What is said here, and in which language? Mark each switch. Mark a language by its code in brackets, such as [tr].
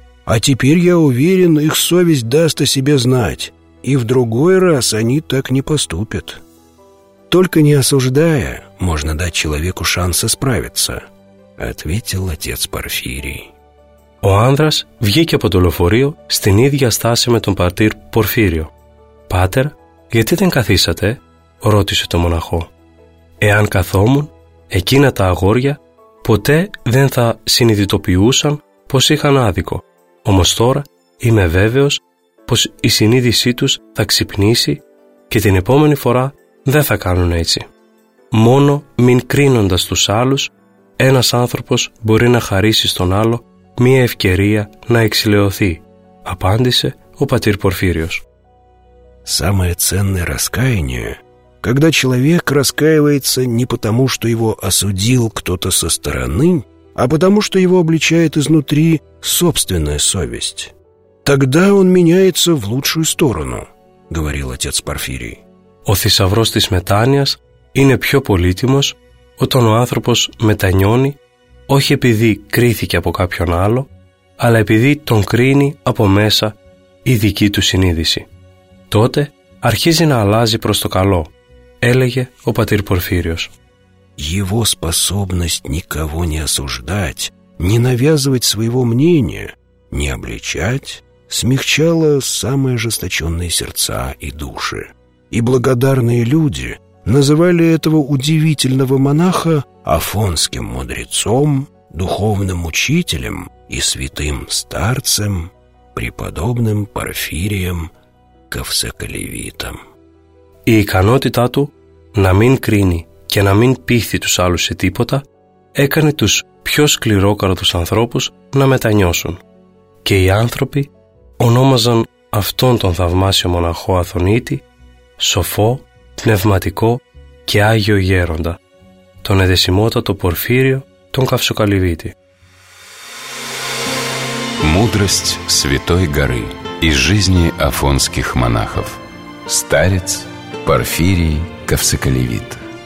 [ru] А теперь я уверен, их совесть даст о себе знать, и в другой раз они так не поступят. Только не осуждая, можно дать человеку шанс исправиться», — ответил отец Порфирий. [el] Ο άνδρας βγήκε από το λεωφορείο στην ίδια στάση με τον πατήρ Πορφύριο. «Πάτερ, γιατί δεν καθίσατε?» ρώτησε το μοναχό. «Εάν καθόμουν, εκείνα τα αγόρια ποτέ δεν θα συνειδητοποιούσαν πως είχαν άδικο. Όμως τώρα είμαι βέβαιος πως η συνείδησή τους θα ξυπνήσει και την επόμενη φορά δεν θα κάνουν έτσι. Μόνο μην κρίνοντας τους άλλους, ένας άνθρωπος μπορεί να χαρίσει στον άλλο μία ευκαιρία να εξηλαιωθεί», απάντησε ο πατήρ Πορφύριος. [ru] Самое ценное раскаяние, когда человек раскаивается не потому, что его осудил кто-то со стороны, а потому, что его обличает изнутри собственная совесть. Тогда он меняется в лучшую сторону, говорил отец Порфирий. [el] Ο θησαυρός της μετάνοιας είναι πιο πολύτιμος όταν ο άνθρωπος μετανιώνει όχι επειδή κρίθηκε από κάποιον άλλο, αλλά επειδή τον κρίνει από μέσα η δική του συνείδηση. Τότε αρχίζει να αλλάζει προς το καλό, έλεγε ο πατήρ Πορφύριος. [ru] Его способность никого не осуждать, не навязывать своего мнения, не обличать, смягчала самые ожесточенные сердца и души. И благодарные люди называли этого удивительного монаха афонским мудрецом, духовным учителем и святым старцем, преподобным Порфирием Ковсоколевитом. [el] Η ικανότητά του να μην κρίνει και να μην πείθει τους άλλους σε τίποτα έκανε τους πιο σκληρόκαρδους ανθρώπους να μετανιώσουν. Και οι άνθρωποι ονόμαζαν αυτόν τον θαυμάσιο μοναχό Αθωνίτη σοφό, πνευματικό και Άγιο Γέροντα, τον Εδεσιμότατο Πορφύριο τον Καυσοκαλυβίτη. [ru] Мудрость Святой Горы из жизни афонских монахов. Старец Порфирий Ковсоколевит.